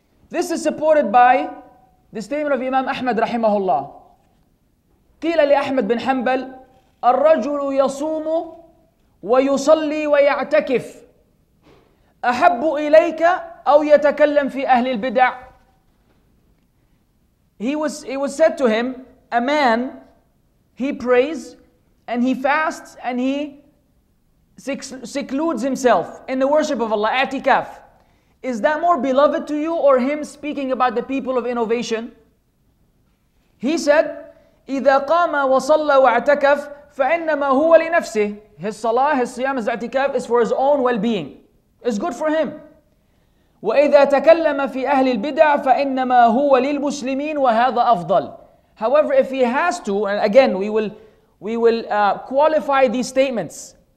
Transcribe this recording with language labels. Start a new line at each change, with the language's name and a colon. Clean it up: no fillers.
English: This is supported by the statement of Imam Ahmed rahimahullah.
Arabic: قيل لأحمد بن حنبل الرجل يصوم ويصلي ويعتكف أحب إليك أو يتكلم في أهل البدع.
English: He was said to him, a man he prays and he fasts and he secludes himself in the worship of Allah, i'tikaf. Is that more beloved to you or him speaking about the people of innovation? He said,
Arabic: إِذَا قَامَ وَصَلَّ وَاعْتَكَفْ فَإِنَّمَا هُوَ لِنَفْسِهِ.
English: His salah, his siyam, his i'tikaf is for his own well-being. It's good for him.
Arabic: وَإِذَا تَكَلَّمَ فِي أَهْلِ الْبِدْعَ فَإِنَّمَا هُوَ لِلْمُسْلِمِينَ وَهَذَا أَفْضَلٌ.
English: However, if he has to, and again, we will qualify these statements.